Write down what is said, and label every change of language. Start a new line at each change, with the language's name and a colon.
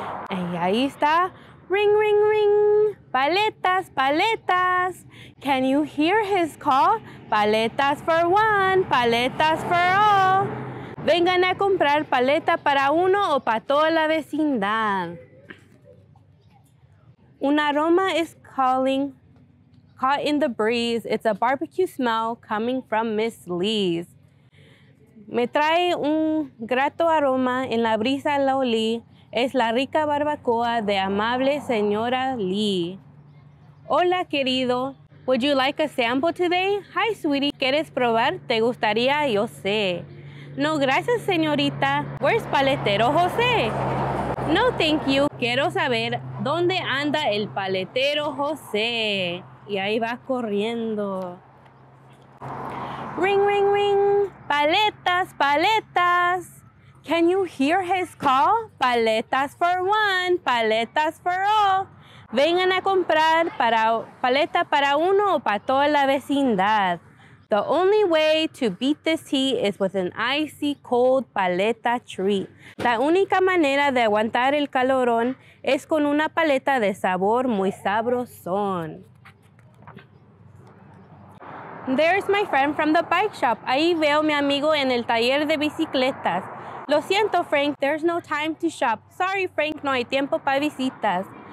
Spanish: Y ahí está. Ring, ring, ring. Paletas, paletas.
English: Can you hear his call? Paletas for one, paletas for all.
Spanish: Vengan a comprar paleta para uno o para toda la vecindad. Un aroma
English: is calling, caught in the breeze. It's a barbecue smell coming from Miss Lee's.
Spanish: Me trae un grato aroma en la brisa la olí. Es la rica barbacoa de amable señora Lee. Hola, querido.
English: Would you like a sample today? Hi, sweetie.
Spanish: ¿Quieres probar? ¿Te gustaría? Yo sé. No, gracias, señorita.
English: Where's Paletero José? No, thank you.
Spanish: Quiero saber dónde anda el Paletero José. Y ahí va corriendo. Ring, ring, ring.
English: Paletas, paletas. Can you hear his call? Paletas for one, paletas for all.
Spanish: Vengan a comprar paleta para uno o para toda la vecindad.
English: The only way to beat this heat is with an icy cold paleta treat.
Spanish: La única manera de aguantar el calorón es con una paleta de sabor muy sabrosón.
English: There's my friend from the bike shop.
Spanish: Ahí veo mi amigo en el taller de bicicletas. Lo siento, Frank,
English: there's no time to shop.
Spanish: Sorry, Frank, no hay tiempo para visitas.